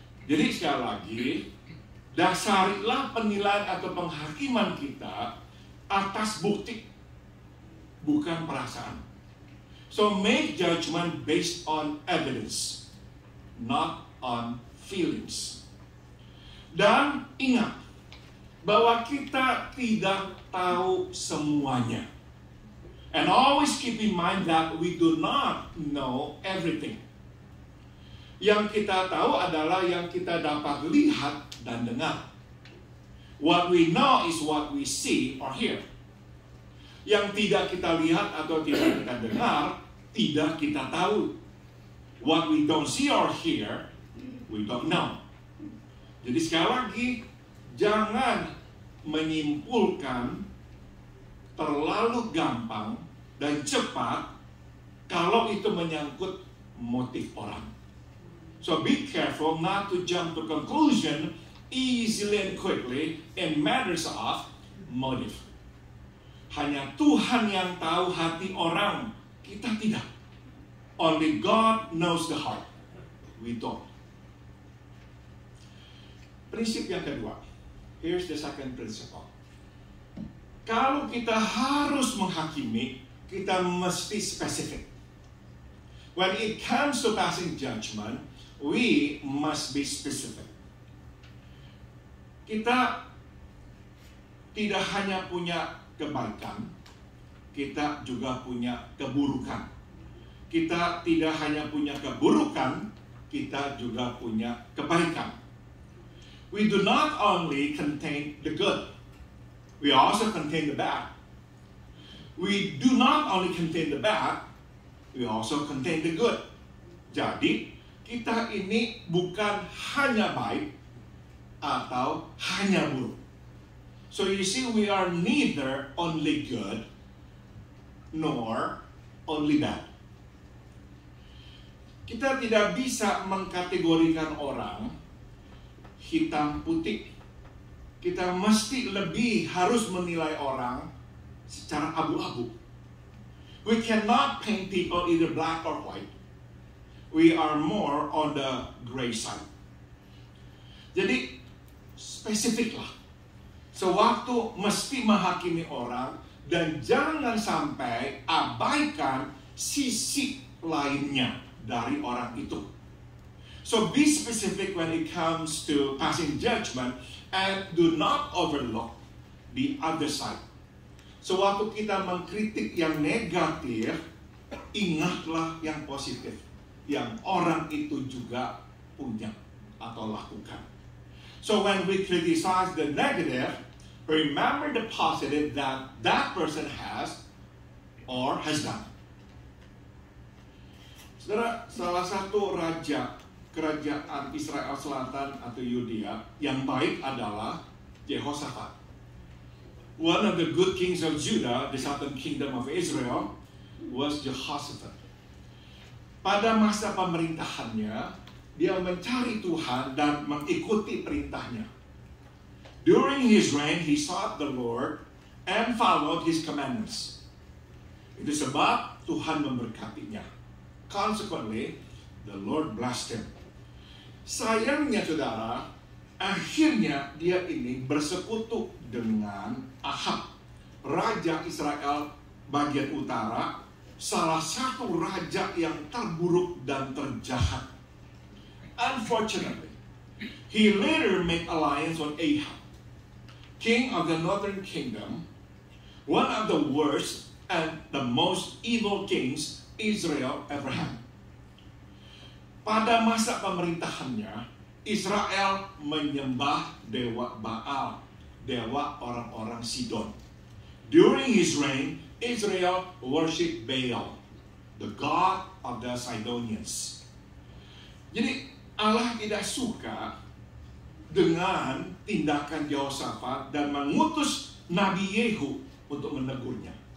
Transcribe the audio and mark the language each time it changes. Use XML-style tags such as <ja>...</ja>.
<id>Jadi sekali lagi, dasarilah penilaian atau penghakiman kita atas bukti, bukan perasaan.</id> <en>So make judgment based on evidence, not on feelings.</en> <id>Dan ingat bahwa kita tidak tahu semuanya.</id> <en>And always keep in mind that we do not know everything.</en> <id>Yang kita tahu adalah yang kita dapat lihat dan dengar.</id> <en>What we know is what we see or hear.</en> <id>Yang tidak kita lihat atau tidak kita dengar, tidak kita tahu.</id> <en>What we don't see or hear, we don't know.</en> <id>Jadi sekali lagi, jangan menyimpulkan terlalu gampang dan cepat kalau itu menyangkut motif orang.</id> <en>So be careful not to jump to conclusion easily and quickly in matters of motive.</en> <id>Hanya Tuhan yang tahu hati orang, kita tidak.</id> <en>Only God knows the heart, we don't.</en> <id>Prinsip yang kedua,</id> <en>here's the second principle.</en> <id>Kalau kita harus menghakimi, kita mesti spesifik.</id> <en>When it comes to passing judgment, we must be specific.</en> <id>Kita tidak hanya punya kebaikan, kita juga punya keburukan. Kita tidak hanya punya keburukan, kita juga punya kebaikan.</id> <en>We do not only contain the good, we also contain the bad. We do not only contain the bad, we also contain the good.</en> <id>Jadi, kita ini bukan hanya baik atau hanya buruk.</id> <en>So you see, we are neither only good nor only bad.</en> <id>Kita tidak bisa mengkategorikan orang hitam putih. Kita mesti lebih harus menilai orang secara abu-abu.</id> <en>We cannot paint people either black or white. We are more on the gray side.</en> <id>Jadi, spesifiklah. Sewaktu mesti menghakimi orang dan jangan sampai abaikan sisi lainnya dari orang itu.</id> <en>So be specific when it comes to passing judgment and do not overlook the other side.</en> <id>Sewaktu kita mengkritik yang negatif, ingatlah yang positif yang orang itu juga punya atau lakukan.</id> <en>So when we criticize the negative, remember the positive that that person has or has done.</en> <id>Saudara, salah satu raja kerajaan Israel Selatan atau Yudea yang baik adalah Yehoshaphat.</id> <en>One of the good kings of Judah, the southern kingdom of Israel, was Jehoshaphat.</en> <id>Pada masa pemerintahannya, dia mencari Tuhan dan mengikuti perintahnya.</id> <en>During his reign, he sought the Lord and followed his commandments.</en> <id>Itu sebab Tuhan memberkatinya.</id> <en>Consequently, the Lord blessed him.</en> <id>Sayangnya, saudara, akhirnya dia ini bersekutu dengan Ahab, raja Israel bagian utara, salah satu raja yang terburuk dan terjahat.</id> <en>Unfortunately, he later made alliance with Ahab, king of the northern kingdom, one of the worst and the most evil kings Israel ever had.</en> <id>Pada masa pemerintahannya, Israel menyembah dewa Baal, dewa orang-orang Sidon.</id> <en>During his reign, Israel worshiped Baal, the god of the Sidonians.</en> <id>Jadi, Allah tidak suka dengan tindakan Yehoshaphat dan mengutus Nabi Yehu untuk menegurnya.</id>